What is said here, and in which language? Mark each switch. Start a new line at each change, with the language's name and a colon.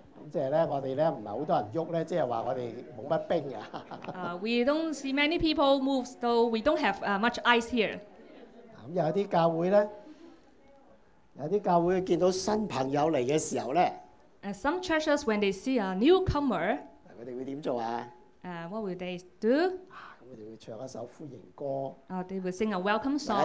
Cantonese: 即係咧，我哋咧唔係好多人喐咧，即係話我哋冇乜冰啊。
English: We don't see many people move, though we don't have much ice here.
Cantonese: 咁有啲教會咧，有啲教會見到新朋友嚟嘅時候咧。
English: Some churches when they see a newcomer.
Cantonese: 佢哋會點做啊？
English: What will they do?
Cantonese: 咁佢哋會唱一首歡迎歌。
English: They will sing a welcome song.